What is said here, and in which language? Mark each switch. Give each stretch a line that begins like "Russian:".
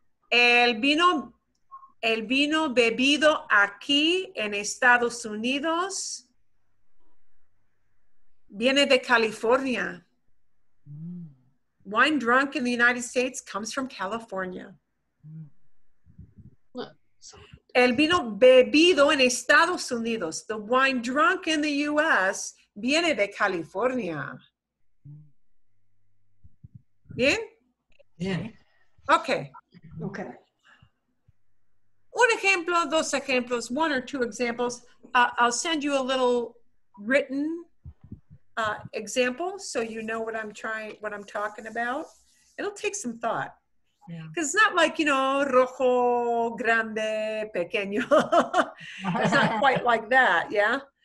Spanish: El vino bebido aquí en Estados Unidos viene de California.
English: Wine drunk in the United States comes from California.
Spanish: El vino bebido en Estados Unidos.
English: The wine drunk in the U.S.
Spanish: viene de California. ¿Bien?
English: Yeah. Okay. Okay.
Spanish: Un ejemplo, dos ejemplos,
English: one or two examples. I'll send you a little written example so you know what I'm talking about. It'll take some thought. Because it's not like, you know,
Spanish: rojo, grande, pequeño.
English: It's not quite like that, yeah?